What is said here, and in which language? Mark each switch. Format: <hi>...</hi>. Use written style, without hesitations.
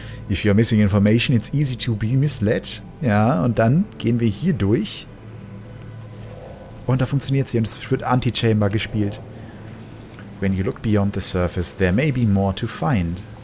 <en>If you're missing information, it's easy to be misled.</en> <de>Ja, und dann gehen wir hier durch. Und da funktioniert sie und es wird Anti-Chamber gespielt.</de> <en>When you look beyond the surface, there may be more to find.</en>